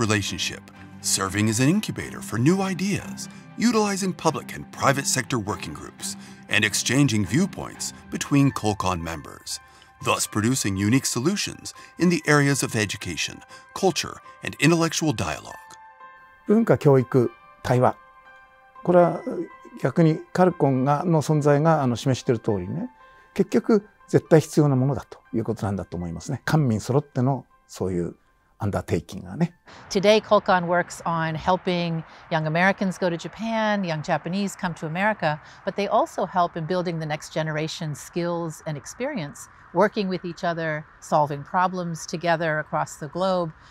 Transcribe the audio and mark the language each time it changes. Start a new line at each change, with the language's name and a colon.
English: relationship, serving as an incubator for new ideas,utilizing public and private sector working groups and exchanging viewpoints between CULCON members, thus producing unique solutions in the areas of education, culture, and intellectual dialogue.
Japanese: 文化教育対話、これは逆にカルコンがの存在が示している通りね、結局絶対必要なものだということなんだと思いますね。官民揃ってのそういうUndertaking, ね、
English: Today, CULCON works on helping young Americans go to Japan, young Japanese come to America, but they also help in building the next generation's skills and experience, working with each other, solving problems together across the globe.